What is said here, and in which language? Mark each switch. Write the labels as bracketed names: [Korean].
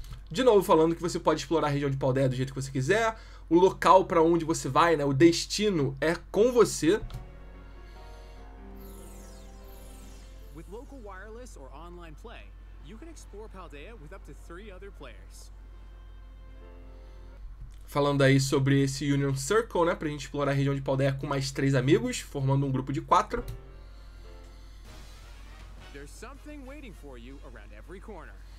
[Portuguese] De novo falando que você pode explorar a região de Paldea do jeito que você quiser. O local para onde você vai, né? O destino é com você. [English] With local wireless or online play, you can explore Paldea with up to 3 other players. [Portuguese] Falando aí sobre esse Union Circle, né, pra gente explorar a região de Paldea com mais 3 amigos, formando um grupo de 4. [English] There's something waiting for you around every corner.